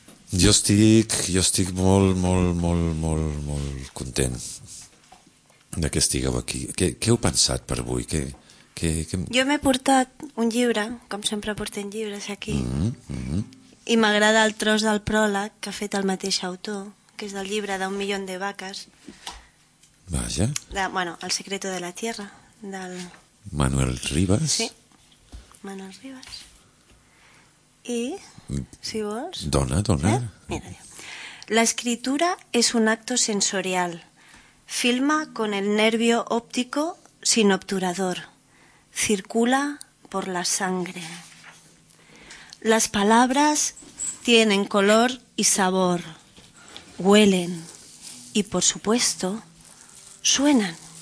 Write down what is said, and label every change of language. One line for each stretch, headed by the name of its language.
Catalan: Jo estic molt, molt, molt, molt, molt content de que estigueu aquí. Què heu pensat per avui? Jo m'he portat un llibre, com sempre portem llibres aquí, i m'agrada el tros del pròleg que ha fet el mateix autor, que és del llibre d'Un milió de vaques. Vaja. Bueno, El secreto de la tierra, del Manuel Rivas. Sí, Manuel Rivas. I, si vols... Dona.
Spanish: Mira, l'escritura és un acto sensorial. Filma con el nervio óptico sin obturador. Circula por la sangre. Las palabras tienen color y sabor. Huelen. Y, por supuesto, suenan.